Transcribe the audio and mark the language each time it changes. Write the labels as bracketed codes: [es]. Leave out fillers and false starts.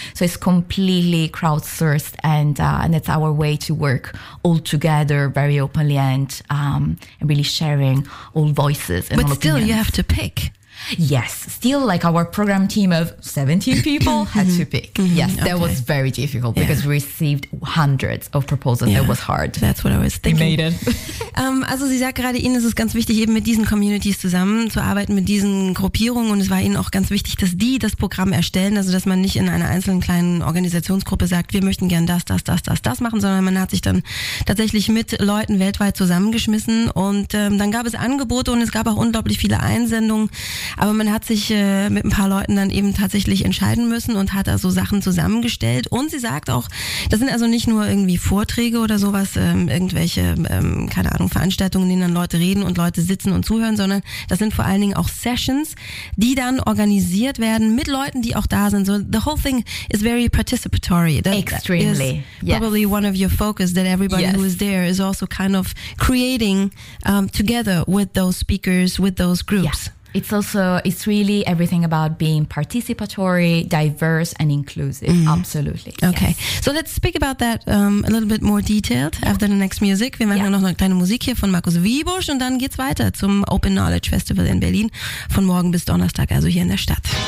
[en] So it's completely crowdsourced, and it's our way to work all together very openly and really sharing all voices and but all still opinions. You have to pick. Yes, still like our program team of 17 people had to pick. Mm-hmm. Yes, that was very difficult because we received hundreds of proposals. Yeah. That was hard. That's what I was thinking. We made it. [de] Also sie sagt gerade, Ihnen ist es ganz wichtig, eben mit diesen Communities zusammenzuarbeiten, mit diesen Gruppierungen, und es war Ihnen auch ganz wichtig, dass die das Programm erstellen, also dass man nicht in einer einzelnen kleinen Organisationsgruppe sagt, wir möchten gern das machen, sondern man hat sich dann tatsächlich mit Leuten weltweit zusammengeschmissen, und dann gab es Angebote und es gab auch unglaublich viele Einsendungen. Aber man hat sich mit ein paar Leuten dann eben tatsächlich entscheiden müssen und hat also Sachen zusammengestellt. Und sie sagt auch, das sind also nicht nur irgendwie Vorträge oder sowas, irgendwelche, keine Ahnung, Veranstaltungen, in denen dann Leute reden und Leute sitzen und zuhören, sondern das sind vor allen Dingen auch Sessions, die dann organisiert werden mit Leuten, die auch da sind. [en] So the whole thing is very participatory. That extremely. Is probably one of your focus, that everybody who is there is also kind of creating together with those speakers, with those groups. Yeah. It's really everything about being participatory, diverse and inclusive. Mm. Absolutely. Okay. Yes. So let's speak about that a little bit more detailed after the next music. [de] Wir machen noch eine kleine Musik hier von Markus Wiebusch, und dann geht's weiter zum Open Knowledge Festival in Berlin von morgen bis Donnerstag, also hier in der Stadt.